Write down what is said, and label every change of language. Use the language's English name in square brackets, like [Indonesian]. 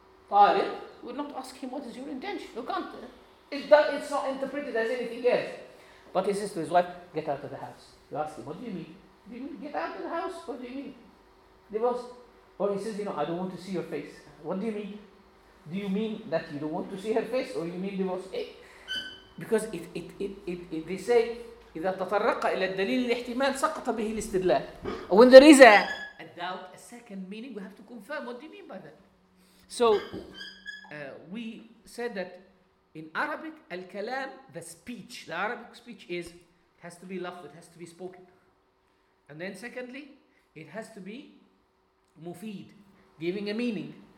[English] Taliq, we'll not ask him, what is your intention? You can't. It's not interpreted as anything else. But he says to his wife, get out of the house. You ask him, what do you mean? Do you mean get out of the house? What do you mean? Divorce. Or he says, you know, I don't want to see your face. What do you mean? Do you mean that you don't want to see her face, or you mean divorce? Because they say, [Arabic] إذا تطرق إلى الدليل الاحتمال سقط به الاستدلال. [English] When there is a doubt, a second meaning, we have to confirm what do you mean by that. So we said that in Arabic, al-kalam, the speech, the Arabic speech is, it has to be lafz, it has to be spoken. And then secondly, it has to be mufid, giving a meaning.